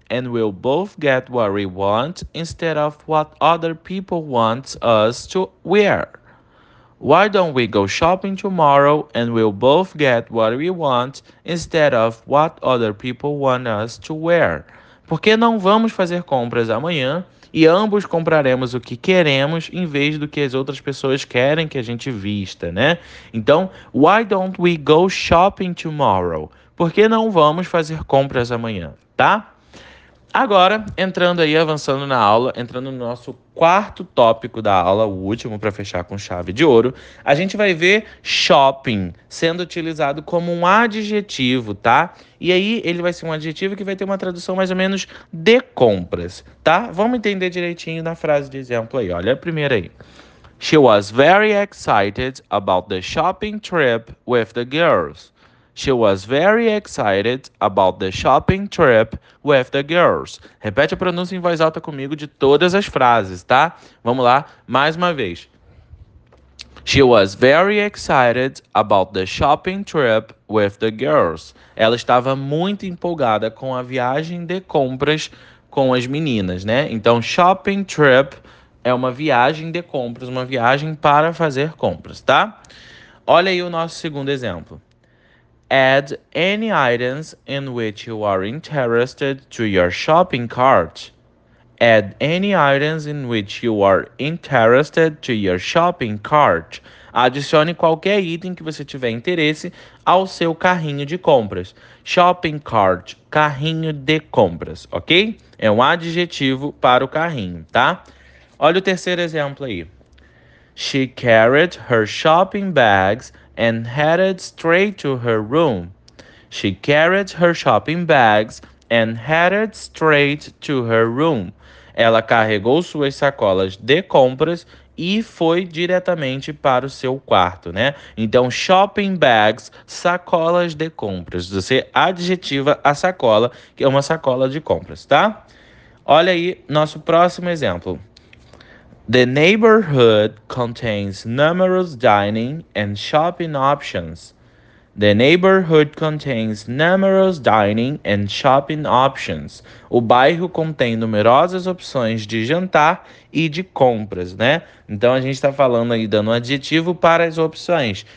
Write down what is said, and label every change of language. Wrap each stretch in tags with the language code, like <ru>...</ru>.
<en>And we'll both get what we want instead of what other people want us to wear. Why don't we go shopping tomorrow and we'll both get what we want instead of what other people want us to wear?</en> <pt>Por que não vamos fazer compras amanhã e ambos compraremos o que queremos em vez do que as outras pessoas querem que a gente vista, né? Então,</pt> <en>why don't we go shopping tomorrow?</en> <pt>Por que não vamos fazer compras amanhã, tá? Agora, entrando aí, avançando na aula, entrando no nosso quarto tópico da aula, o último para fechar com chave de ouro, a gente vai ver shopping sendo utilizado como um adjetivo, tá? E aí ele vai ser um adjetivo que vai ter uma tradução mais ou menos de compras, tá? Vamos entender direitinho na frase de exemplo aí. Olha a primeira aí.</pt> <en>She was very excited about the shopping trip with the girls. She was very excited about the shopping trip with the girls.</en> <pt>Repete a pronúncia em voz alta comigo de todas as frases, tá? Vamos lá, mais uma vez. She was very excited about the shopping trip with the girls. Ela estava muito empolgada com a viagem de compras com as meninas, né? Então, shopping trip é uma viagem de compras, uma viagem para fazer compras, tá? Olha aí o nosso segundo exemplo.</pt> <en>Add any items in which you are interested to your shopping cart. Add any items in which you are interested to your shopping cart.</en> <pt>Adicione qualquer item que você tiver interesse ao seu carrinho de compras. Shopping cart, carrinho de compras, ok? É um adjetivo para o carrinho, tá? Olha o terceiro exemplo aí.</pt> <en>She carried her shopping bags and headed straight to her room. She carried her shopping bags and headed straight to her room.</en> <pt>Ela carregou suas sacolas de compras e foi diretamente para o seu quarto, né? Então, shopping bags, sacolas de compras. Você adjetiva a sacola, que é uma sacola de compras, tá? Olha aí nosso próximo exemplo.</pt> <en>The neighborhood contains numerous dining and shopping options. The neighborhood contains numerous dining and shopping options.</en> <pt>O bairro contém numerosas opções de jantar e de compras, né? Então a gente está falando aí, dando um adjetivo para as opções.</pt>